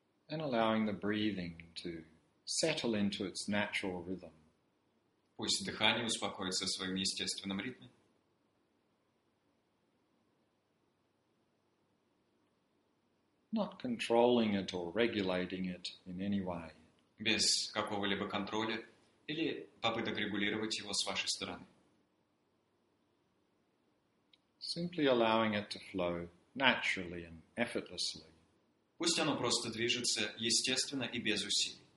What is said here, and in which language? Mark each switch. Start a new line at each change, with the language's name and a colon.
English: And allowing the breathing to settle into its natural rhythm.
Russian: Пусть дыхание успокоится в своем естественном ритме.
English: Not controlling it or regulating it in any way.
Russian: Без какого-либо контроля или попыток регулировать его с вашей стороны.
English: Simply allowing it to flow naturally and effortlessly.
Russian: Пусть оно просто движется естественно и без усилий.